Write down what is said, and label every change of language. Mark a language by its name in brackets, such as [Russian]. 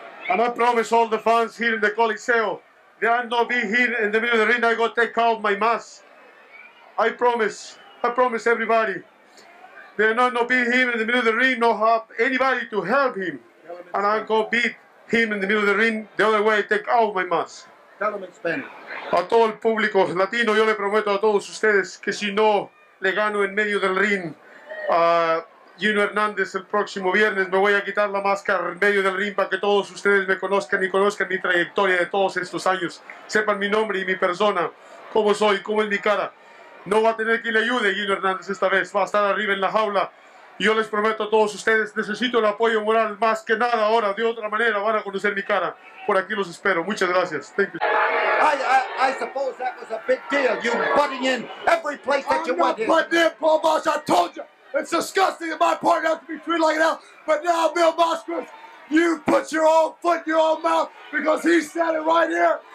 [English] And I promise all the fans here in the Coliseo, they are not be here in the middle of the ring, I go take off my mask. I promise everybody. They are not be here in the middle of the ring, nor have anybody to help him. And I go beat him in the middle of the ring, the other way, take off my mask. Tell him in Spanish. [Spanish] A todo el público latino, yo le prometo a todos ustedes que si no le gano en medio del ring, Gino Hernandez, el próximo viernes me voy a quitar la máscara en medio del ring para que todos ustedes me conozcan y conozcan mi trayectoria de todos estos años. Sepan mi nombre y mi persona, cómo soy, cómo es mi cara. No va a tener quien le ayude Gino Hernandez esta vez, va a estar arriba en la jaula. Yo les prometo a todos ustedes, necesito el apoyo moral más que nada ahora, de otra manera van a conocer mi cara. Por aquí los espero. Muchas gracias. [English] Thank you. I suppose that was a big deal, you butting in every place that I'm you not want here. I'm not butting in, Paul Boss, I told you. It's disgusting that my partner has to be treated like that. But now, Mil Mascaras, you put your own foot in your own mouth because he said it right here.